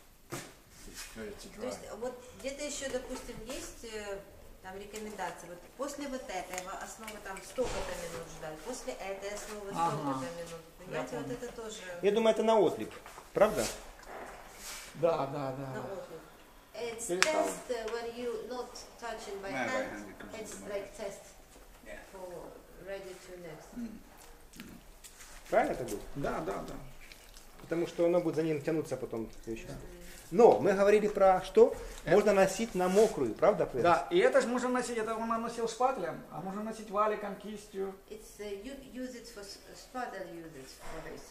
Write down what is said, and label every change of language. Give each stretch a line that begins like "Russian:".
Russian: То есть вот где-то еще, допустим, есть там рекомендации. Вот после вот этого основы там столько-то минут ждать, после этой основы столько-то минут. Понимаете, вот это тоже. Я думаю, это на отлип, правда? Да. На отлип.
English: It's test when you not touching by hand. It's like test for ready to next.
Russian: Правильно это будет? Да. Потому что оно будет за ним тянуться потом. Но мы говорили про что? Можно носить на мокрую, правда, Пресс? Да, и это же можно носить, это он наносил шпателем, а можно носить валиком, кистью.
English: It's you use it for spatula, use it for this.